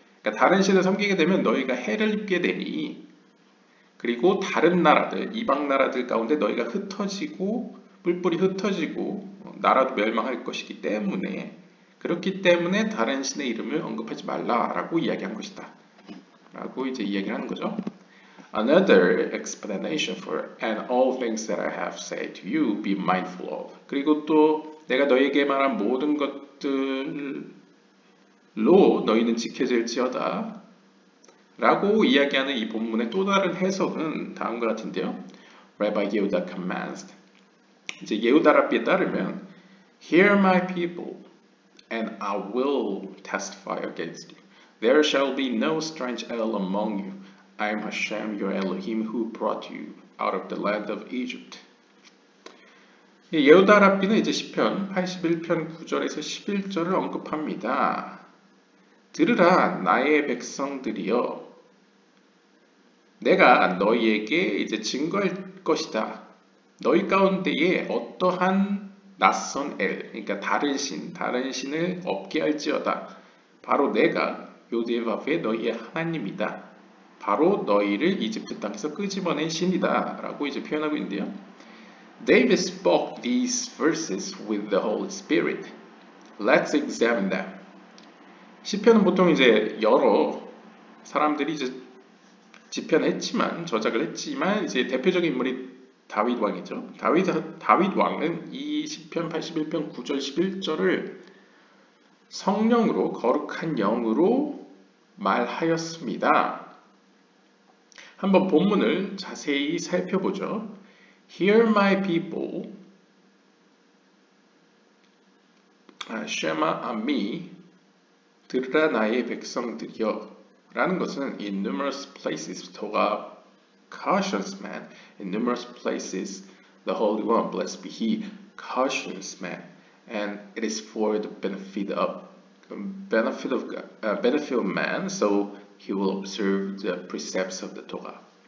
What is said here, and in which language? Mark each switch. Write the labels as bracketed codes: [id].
[ko] 그러니까 다른 신을 섬기게 되면 너희가 해를 입게 되니 그리고 다른 나라들 이방 나라들 가운데 너희가 흩어지고 뿔뿔이 흩어지고 나라도 멸망할 것이기 때문에 그렇기 때문에 다른 신의 이름을 언급하지 말라 라고 이야기한 것이다 라고 이제 이야기를 하는 거죠. [en] Another explanation for and all things that I have said to you be mindful of. [ko] 그리고 또 내가 너에게 말한 모든 것들로 너희는 지켜질지어다 라고 이야기하는 이 본문의 또 다른 해석은 다음과 같은데요. [en] Rabbi Yehuda commands. [ko] 이제 예후다 랍비에 따르면 [en] Hear my people and I will testify against you. There shall be no strange El among you. I am Hashem, your Elohim, who brought you out of the land of Egypt. [ko] 예후다 랍비는 이제 시편 81편 9절에서 11절을 언급합니다. 들으라, 나의 백성들이여. 내가 너희에게 이제 증거할 것이다. 너희 가운데에 어떠한 낯선 El, 그러니까 다른 신, 다른 신을 없게 할지어다. 바로 내가 요데바의 너희의 하나님이다. 바로 너희를 이집트 땅에서 끄집어낸 신이다. 라고 이제 표현하고 있는데요. [en] David spoke these verses with the Holy Spirit. Let's examine them. [ko] 시편은 보통 이제 여러 사람들이 이제 집편했지만 저작을 했지만 이제 대표적인 인물이 다윗 왕이죠. 다윗 왕은 이 시편 81편 9절 11절을 성령으로 거룩한 영으로 말하였습니다. 한번 본문을 자세히 살펴보죠. [en] Hear my people, Shema Ami, [ko] 들으라 나의 백성들이여 라는 것은 [en] in numerous places, [ko] 도가 [en] cautions man, in numerous places, the Holy One, blessed be He, cautions man, and it is for the benefit of benefit of man, so he will observe the precepts of the Torah.